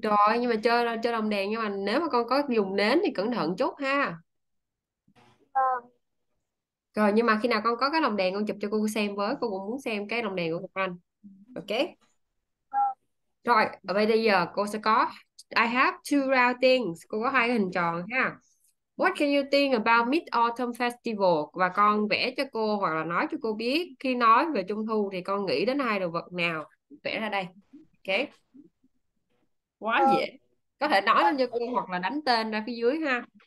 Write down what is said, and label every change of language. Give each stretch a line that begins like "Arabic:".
Vietnamese: Trời ơi, nhưng mà chơi đồng đèn, nhưng mà nếu mà con có dùng nến thì cẩn thận chút ha. Rồi nhưng mà khi nào con có cái đồng đèn con chụp cho cô xem với, cô cũng muốn xem cái đồng đèn của anh. Ok. Rồi, ở đây bây giờ cô sẽ có
English: I have two round things.
Vietnamese: Cô có hai hình tròn ha.
English: What can you think about Mid-Autumn Festival?
Vietnamese: Và con vẽ cho cô hoặc là nói cho cô biết khi nói về Trung Thu thì con nghĩ đến hai đồ vật nào? Vẽ ra đây. Ok. Quá dễ. Có thể nói lên cho cô hoặc là đánh tên ra phía dưới ha.